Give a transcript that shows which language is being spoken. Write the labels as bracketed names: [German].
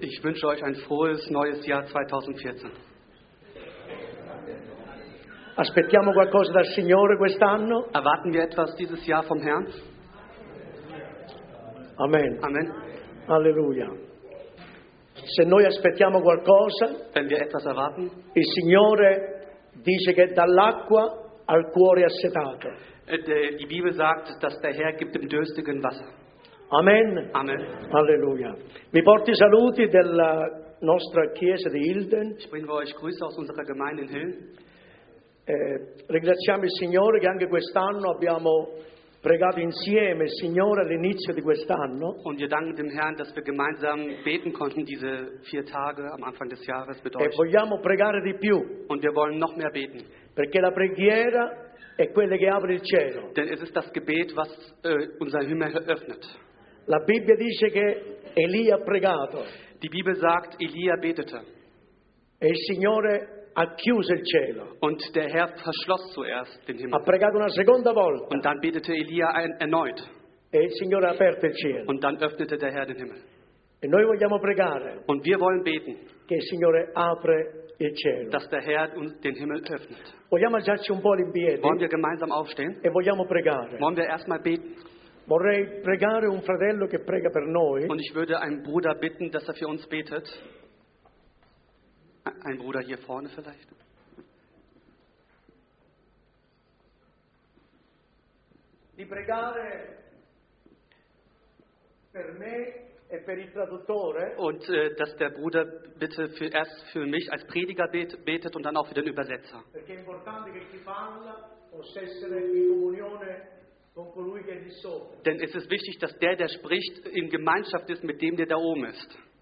[German] Ich wünsche euch ein frohes neues Jahr 2014. [Italian] Aspettiamo qualcosa dal Signore quest'anno? [German] Erwarten wir etwas dieses Jahr vom Herrn? Amen. Amen. Alleluia. [Italian] Se noi aspettiamo qualcosa, [German] wenn wir etwas erwarten, [Italian] il Signore dice che dall'acqua al cuore assetato. [German] Die Bibel sagt, dass der Herr gibt dem dürstigen Wasser. Amen. Amen. Alleluia. [Italian] Mi porti saluti della nostra chiesa di Hilden. [German] Ich bringe euch Grüße aus unserer Gemeinde in Hilden. [Italian] Ringraziamo il Signore che anche quest'anno abbiamo pregato insieme, Signore, all'inizio di quest'anno. [German] Und wir danken dem Herrn, dass wir gemeinsam beten konnten diese vier Tage am Anfang des Jahres mit euch. [Italian] E vogliamo pregare di più. [German] Und wir wollen noch mehr beten. [Italian] Perché la preghiera è quella che apre il cielo. [German] Denn es ist das Gebet, was unser Himmel öffnet. [Italian] La Bibbia dice che Elia ha pregato. [German] Die Bibel sagt, Elia betete. [Italian] E il Signore ha chiuso il cielo. [German] Und der Herr verschloss zuerst den Himmel. [Italian] Ha pregato una seconda volta. [German] Und dann betete Elia erneut. [Italian] E il Signore ha aperto il cielo. [German] Und dann öffnete der Herr den Himmel. [Italian] E noi vogliamo pregare. [German] Und wir wollen beten. [Italian] Che il Signore apre il cielo. [German] Dass der Herr den Himmel öffnet. [Italian] Vogliamo alzarci un po' in piedi. [German] Wollen wir gemeinsam aufstehen? [Italian] E vogliamo pregare. [German] Wollen wir erstmal beten? [Italian] Vorrei pregare un fratello che prega per noi. [German] Und ich würde einen Bruder bitten, dass er für uns betet. Ein Bruder hier vorne vielleicht. [Italian] Di pregare per me e per il traduttore. [German] Und dass der Bruder bitte für, erst für mich als Prediger betet und dann auch für den Übersetzer. [Italian] Perché è importante che chi parla possa essere in comunione. [German] Denn es ist wichtig, dass der, der spricht, in Gemeinschaft ist mit dem, der da oben ist.